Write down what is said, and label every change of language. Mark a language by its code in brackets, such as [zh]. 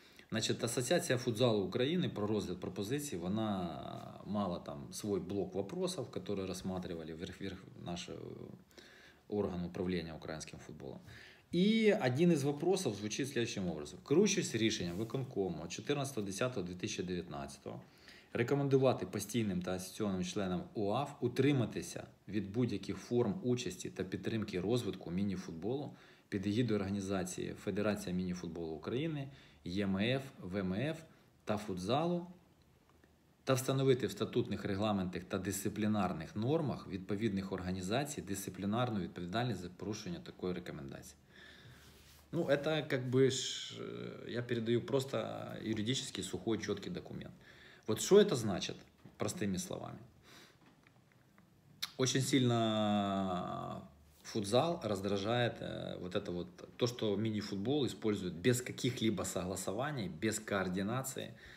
[ru] Значит, Ассоциация футзала Украины [uk] про розгляд пропозицій, [ru] вона мала там свой блок вопросов, которые рассматривали вверх-вверх наш орган управления украинским футболом. И один из вопросов звучит следующим образом. [uk] Керуючись рішенням виконкому 14.10.2019-го, рекомендувати постійним та асоційованим членам УАФ утриматися від будь-яких форм участі та підтримки розвитку мініфутболу під егідою організації Федерація мініфутболу України, ЄМФ, ВМФ та футзалу, та встановити в статутних регламентах та дисциплінарних нормах відповідних організацій дисциплінарну відповідальність за порушення такої рекомендації. [ru] Ну, это как бы я передаю просто юридически сухой, четкий документ. Вот что это значит, простыми словами? Очень сильно футзал раздражает вот это вот, то, что мини-футбол используют без каких-либо согласований, без координации.